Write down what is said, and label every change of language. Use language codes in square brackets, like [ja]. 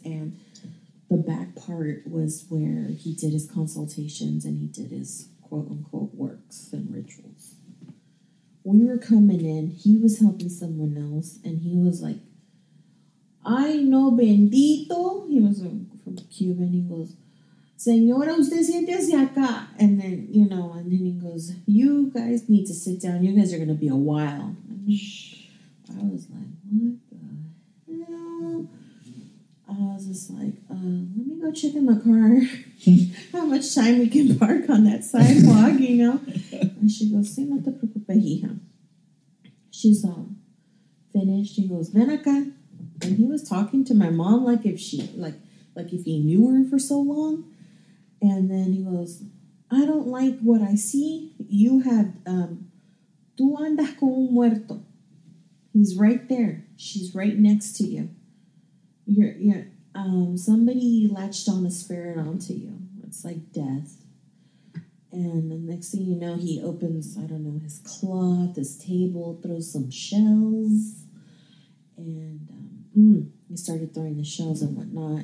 [en] And the back part was where he did his consultations and he did his quote-unquote works and rituals. We were coming in. He was helping someone else. And he was like, [es] ay, no bendito. [en] He was from Cuba. And he goes, [es] señora, usted siente hacia acá. [en] And then, you know, and then he goes, you guys need to sit down. You guys are going to be a while. And I was like, what the hell? I was just like, let me go check in the car. How much time we can park on that sidewalk, you know? And she goes, [es] sí, no te preocupes, hija. [en] She's all finished. He goes, [es] ven acá. [en] And he was talking to my mom like if she, like if he knew her for so long. And then he goes, I don't like what I see. You have, [es] tú andas con un muerto. [en] He's right there. She's right next to you. Somebody latched on a spirit onto you. It's like death. And the next thing you know, he opens, I don't know, his cloth, his table, throws some shells. And he started throwing the shells and whatnot.